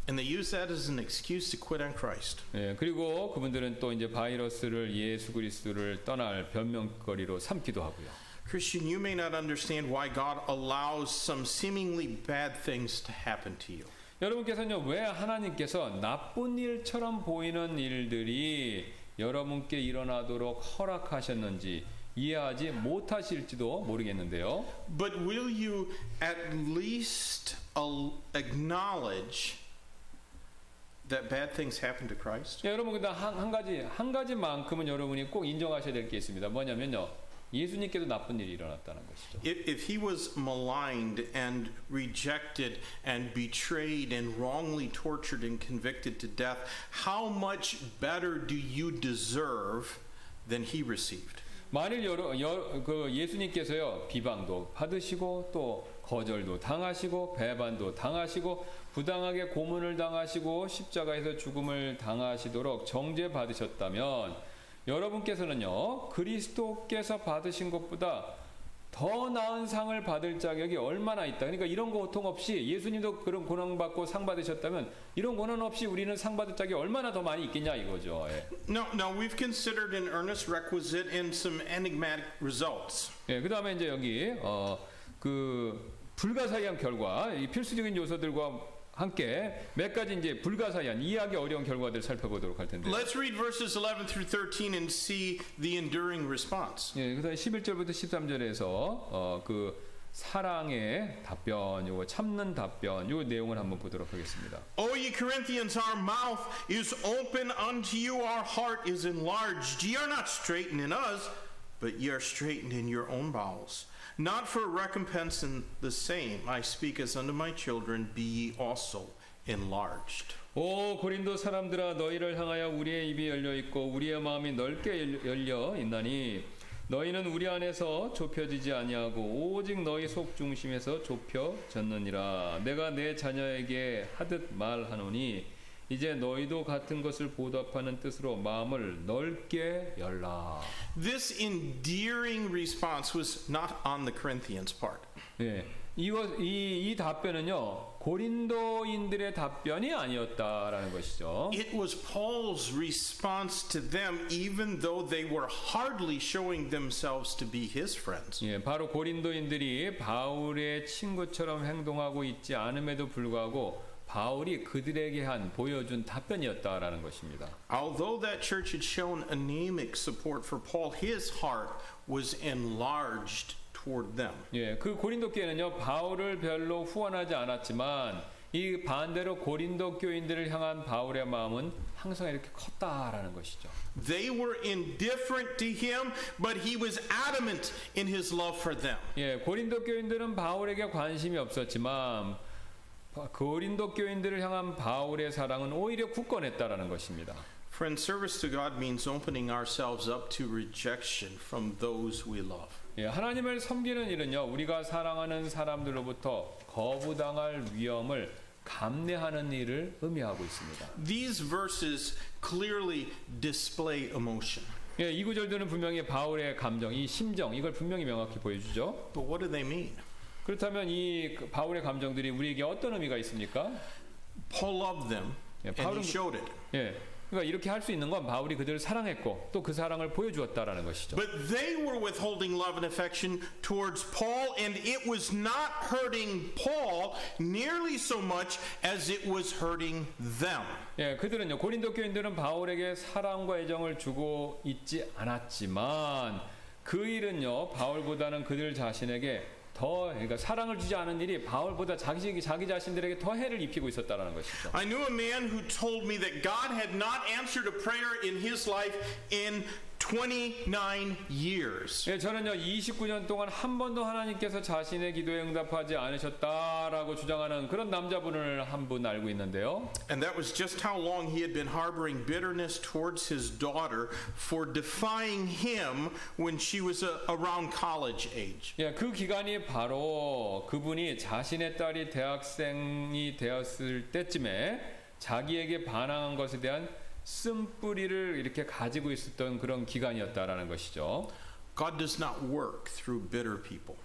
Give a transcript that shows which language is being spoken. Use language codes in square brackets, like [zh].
[en] And they use that as an excuse to quit on Christ. [ko] 예, 그리고 그분들은 또 이제 바이러스를 예수 그리스도를 떠날 변명거리로 삼기도 하고요. [en] Christian, you may not understand why God allows some seemingly bad things to happen to you. [ko] 여러분께서는요, 왜 하나님께서 나쁜 일처럼 보이는 일들이 여러분께 일어나도록 허락하셨는지 이해하지 못하실지도 모르겠는데요. [en] But will you at least acknowledge that bad things happen to Christ? [ko] 여러분, 근데 한 가지만큼은 여러분이 꼭 인정하셔야 될 게 있습니다. 뭐냐면요. 예수님께서 나쁜 일이 일어났다는 것이죠. [en] If he was maligned and rejected and betrayed and wrongly tortured and convicted to death, how much better do you deserve than he received? [ko] 만일 그 예수님께서요 비방도 받으시고 또 거절도 당하시고 배반도 당하시고 부당하게 고문을 당하시고 십자가에서 죽음을 당하시도록 정죄 받으셨다면. 여러분께서는요 그리스도께서 받으신 것보다 더 나은 상을 받을 자격이 얼마나 있다. 그러니까 이런 거 고통 없이 예수님도 그런 고난 받고 상 받으셨다면 이런 고난 없이 우리는 상 받을 자격이 얼마나 더 많이 있겠냐 이거죠. 예. [en] Now we've considered an earnest requisite and some enigmatic results. [ko] 예, 그 다음에 이제 여기 그 불가사의한 결과, 이 필수적인 요소들과 함께 몇 가지 이제 불가사의한 이해하기 어려운 결과들 살펴보도록 할 텐데. [en] Let's read verses 11 through 13 and see the enduring response. [ko] 예, 그다음 11절부터 13절에서 그 사랑의 답변, 요거 참는 답변, 요 내용을 한번 보도록 하겠습니다. [en] O ye Corinthians, our mouth is open unto you, our heart is enlarged. Ye are not straitened in us, but ye are straitened in your own bowels. Not for recompense in the same, I speak as unto my children, be ye also enlarged. [ko] 오 고린도 사람들아, 너희를 향하여 우리의 입이 열려 있고 우리의 마음이 넓게 열려 있나니 너희는 우리 안에서 좁혀지지 아니하고 오직 너희 속 중심에서 좁혀졌느니라. 내가 내 자녀에게 하듯 말하노니 이제 너희도 같은 것을 보답하는 뜻으로 마음을 넓게 열라. [en] This endearing response was not on the Corinthians' part. [ko] 예. 이 답변은요. 고린도인들의 답변이 아니었다라는 것이죠. [en] It was Paul's response to them even though they were hardly showing themselves to be his friends. [ko] 예, 바로 고린도인들이 바울의 친구처럼 행동하고 있지 않음에도 불구하고 바울이 그들에게 한 보여준 답변이었다라는 것입니다. [en] Although that church had shown anemic support for Paul, his heart was enlarged. [ko] 예, 그 고린도 교회는요 바울을 별로 후원하지 않았지만 이 반대로 고린도 교인들을 향한 바울의 마음은 항상 이렇게 컸다라는 것이죠. [en] They were indifferent to him, but he was adamant in his love for them. [ko] 예, 고린도 교인들은 바울에게 관심이 없었지만 고린도 교인들을 향한 바울의 사랑은 오히려 굳건했다라는 것입니다. [en] Friend, service to God means opening ourselves up to rejection from those we love. [ko] 예, 하나님을 섬기는 일은요, 우리가 사랑하는 사람들로부터 거부당할 위험을 감내하는 일을 의미하고 있습니다. [en] These verses clearly display emotion. [ko] 예, 이 구절들은 분명히 바울의 감정, 이 심정, 이걸 분명히 명확히 보여주죠. [en] But what do they mean? [ko] 그렇다면 이 바울의 감정들이 우리에게 어떤 의미가 있습니까? [en] Paul loved them, [ko] 예, 바울은, [en] and he showed it. [ko] 예. 그러니까 이렇게 할 수 있는 건 바울이 그들을 사랑했고 또 그 사랑을 보여주었다라는 것이죠. [en] But they were withholding love and affection towards Paul, and it was not hurting Paul nearly so much as it was hurting them. [ko] 예, 그들은요, 고린도 교인들은 바울에게 사랑과 애정을 주고 있지 않았지만 그 일은요 바울보다는 그들 자신에게 더, 그러니까 사랑을 주지 않은 일이 바울보다 자기 자신들에게 더 해를 입히고 있었다라는 것이죠. [en] I knew a man who told me that God had not answered a prayer in his life in 29 years. [ko] 예, 저는요 29년 동안 한 번도 하나님께서 자신의 기도에 응답하지 않으셨다라고 주장하는 그런 남자분을 한 분 알고 있는데요. [en] And that was just how long he had been harboring bitterness towards his daughter for defying him when she was around college age. [ko] 예, 그 기간이 바로 그분이 자신의 딸이 대학생이 되었을 때쯤에 자기에게 반항한 것에 대한 쓴뿌리를 이렇게 가지고 있었던 그런 기간이었다라는 것이죠. [en] God does not work through bitter people.